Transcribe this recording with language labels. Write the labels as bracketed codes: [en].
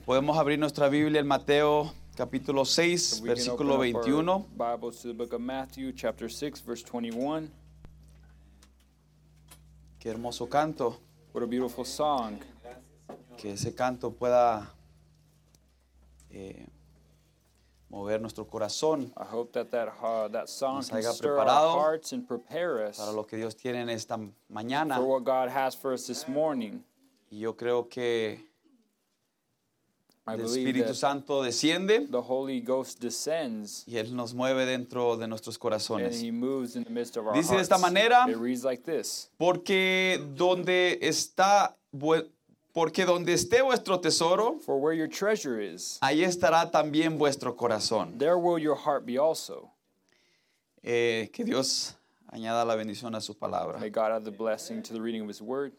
[es] Podemos abrir nuestra Biblia en Mateo capítulo 6, versículo 21. [en] Bibles to the book of Matthew, chapter 6, verse 21. [es] Qué hermoso canto. [en] What a beautiful song. [es] Que ese canto pueda mover nuestro corazón. [en] I hope that that song can stir our hearts and prepare us [es] para lo que Dios tiene en esta mañana. [en] For what God has for us this morning. [es] Y yo creo que el Espíritu Santo desciende. [en] The Holy Ghost descends. [es] Y Él nos mueve dentro de nuestros corazones. [en] And He moves in the midst of our [es] Dice [en] hearts. [es] Dice de esta manera. [en] It reads like this. [es] Porque donde está Porque donde esté vuestro tesoro, [en] For where your treasure is, [es] ahí estará también vuestro corazón. [en] There will your heart be also. [es] Que Dios añada la bendición a su palabra. [en] May God add the blessing to the reading of His word.